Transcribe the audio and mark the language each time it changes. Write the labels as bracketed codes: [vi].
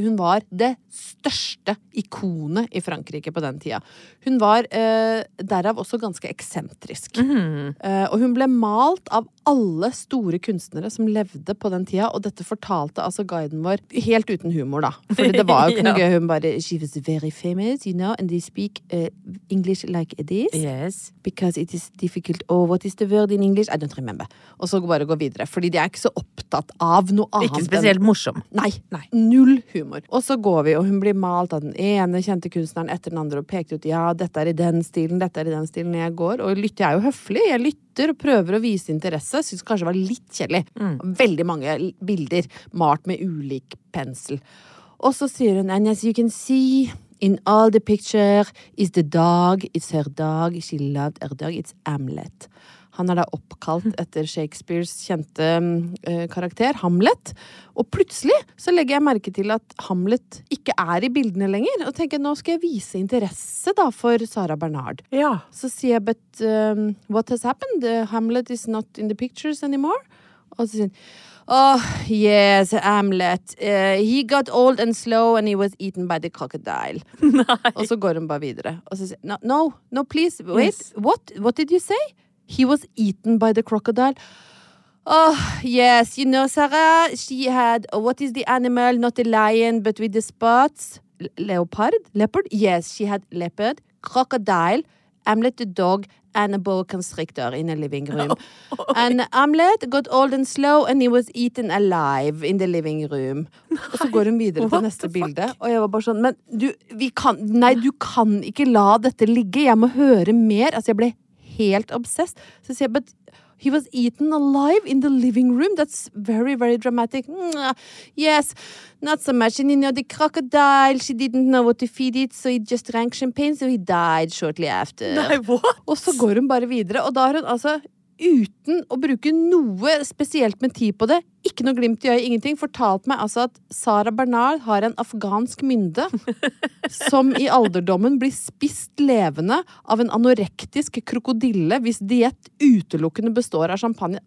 [no] Hun var det største ikonet i Frankrike på den tida. Hun var derav også ganske eksentrisk. Og hun ble malt av alle store kunstnere som levde på den tida, og dette fortalte altså guiden vår helt uten humor da, for det var jo ikke noe gøy. Hun bare, [en] she was very famous, you know, and they speak English like this. Yes, because it is difficult. Oh, what is the word in English? I don't remember. [no] Og så bare gå videre, fordi de ikke så opptatt av noe annet. Ikke spesielt morsom. Nei, null humor. Og så går vi, og hun blir malt av den ene kjente kunstneren etter den andre, og peker ut, ja, dette er i den stilen jeg går, og lytter, jeg jo høflig, jeg lytter og prøver å vise interesse, synes kanskje var litt kjedelig. Mm. Veldig mange bilder malt med ulik pensel. Og så sier hun, [en] and as you can see, in all the picture is the dog, it's her dog, she loved her dog, it's Hamlet. [no] Han da oppkalt etter Shakespeares kjente karakter, Hamlet. Og plutselig så legger jeg merke til at Hamlet ikke i bildene lenger, og tenker, nå skal jeg vise interesse da for Sara Bernard. Ja. Så sier jeg, [en] but what has happened? Hamlet is not in the pictures anymore. [no] Og så sier han, [en] oh, yes, [no] Hamlet. [en] He got old and slow and he was eaten by the crocodile. [no] Nei. Og så går hun bare videre. Og så sier han, [en] no, no, please, wait, yes. What did you say? He was eaten by the crocodile. Oh, yes, you know, Sarah, she had, what is the animal? Not a lion, but with the spots. Leopard? Leopard? Yes, she had leopard, crocodile, Hamlet the dog, and a boa constrictor in the living room. Oh, and Hamlet got old and slow, and he was eaten alive in the living room. [no] Nei, og så går hun videre til neste bilde, og jeg var bare sånn, men du, vi kan, nei, du kan ikke la dette ligge, jeg må høre mer. Altså, jeg ble helt obsessed. Så sier jeg, [en] but he was eaten alive in the living room. That's very, very dramatic. Yes, not so much. And you know, the crocodile, she didn't know what to feed it, so he just drank champagne, so he died shortly after. [no] Nei, [en] what? [no] Og så går hun bare videre, og da har hun altså, uten å bruke noe spesielt med tid på det, ikke noe glimt i øye, ingenting, fortalt meg altså at Sara Bernard har en afghansk mynde, som i alderdommen blir spist levende av en anorektisk krokodille hvis diet utelukkende består av champagne.